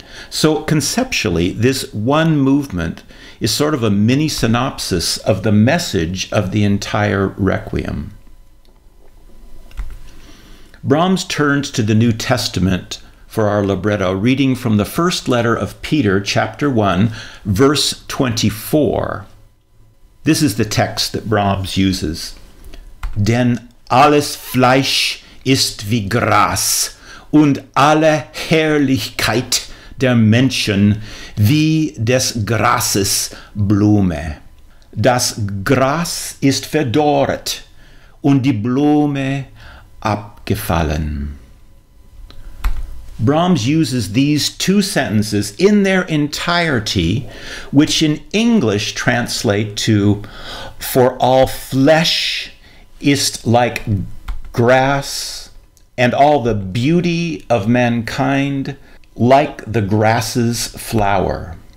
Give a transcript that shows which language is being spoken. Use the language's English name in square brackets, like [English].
[English] So conceptually, this one movement is sort of a mini synopsis of the message of the entire Requiem. Brahms turns to the New Testament for our libretto, reading from the first letter of Peter, chapter 1, verse 24. This is the text that Brahms uses. [German] Denn alles Fleisch ist wie Gras und alle Herrlichkeit der Menschen wie des Grases Blume. Das Gras ist verdorret und die Blume abgefallen. [English] Brahms uses these two sentences in their entirety, which in English translate to, for all flesh is like grass, and all the beauty of mankind like the grass's flower.